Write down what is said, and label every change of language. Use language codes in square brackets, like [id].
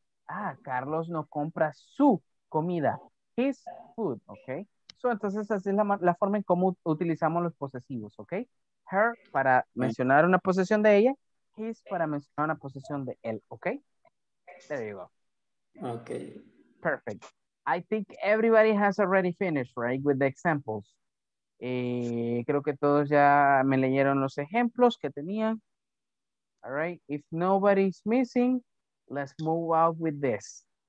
[es] Ah, Carlos no compra su comida, [en] his food, [es] ok. Entonces, así es la forma en cómo utilizamos los posesivos, ¿ok? Her para mencionar una posesión de ella, his para mencionar una posesión de él, ¿ok? [en] There you go. Ok. Perfect. I think everybody has already finished, right, with the examples. [es] Creo que todos ya me leyeron los ejemplos que tenían. [en] All right. If nobody's missing, let's move out with this.